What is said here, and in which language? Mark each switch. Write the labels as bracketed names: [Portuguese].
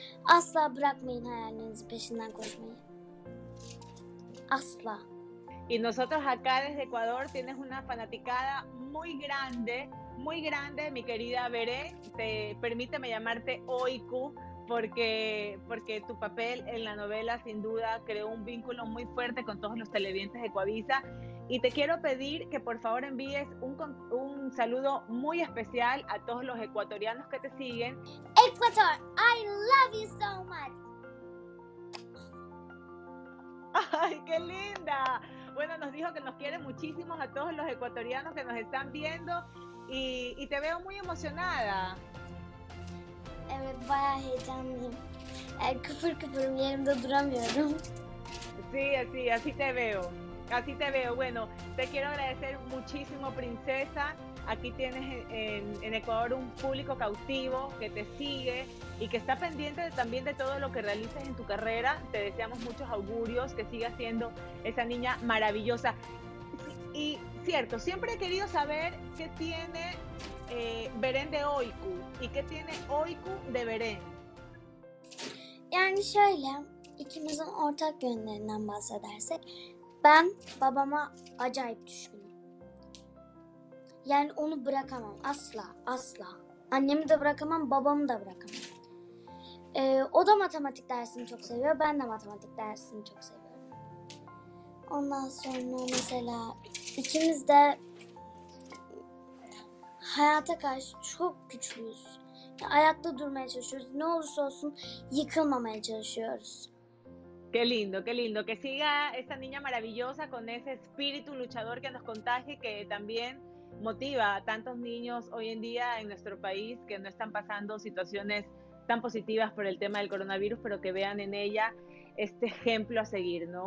[Turkish] Asla bırakmayın hayallerinizi peşinden koşmayı. Asla. [Spanish] Y nosotros acá desde Ecuador tienes una fanaticada muy grande, muy grande, mi querida Veré. Permíteme llamarte Oiku. Porque tu papel en la novela sin duda creó un vínculo muy fuerte con todos los televidentes de Coavisa. Y te quiero pedir que por favor envíes un saludo muy especial a todos los ecuatorianos que te siguen. [English] Ecuador, I love you so much. [Spanish] ¡Ay, qué linda! Bueno, nos dijo que nos quiere muchísimo a todos los ecuatorianos que nos están viendo y te veo muy emocionada. [Turkish] Evet, bayağı heyecanlıyım. Kıpır kıpırım, yerimde duramıyorum. [Spanish] Sí, sí, así te veo. Así te veo. Bueno, te quiero agradecer muchísimo, princesa. Aquí tienes en Ecuador un público cautivo que te sigue y que está pendiente también de todo lo que realices en tu carrera. Te deseamos muchos augurios, que sigas siendo esa niña maravillosa. Y cierto, siempre he querido saber qué tiene Beren de Oiku. ¿Y qué tiene Oiku de Beren? [Turkish] Yani şöyle, ikimizin ortak yönlerinden bahsedersek, ben babama acayip düşkünüm. Yani onu bırakamam, asla, asla. Annemi de bırakamam, babamı da bırakamam. O da matematik dersini çok seviyor, ben de matematik dersini çok seviyorum. Ondan sonra mesela ikimiz de hayata karşı çok güçlüyüz. Yani ayakta durmaya çalışıyoruz. Ne olursa olsun yıkılmamaya çalışıyoruz. [Spanish] Qué lindo, qué lindo. Que siga esa niña maravillosa con ese espíritu luchador que nos contagie, que también motiva a tantos niños hoy en día en nuestro país que no están pasando situaciones tan positivas por el tema del coronavirus, pero que vean en ella este ejemplo a seguir, ¿no?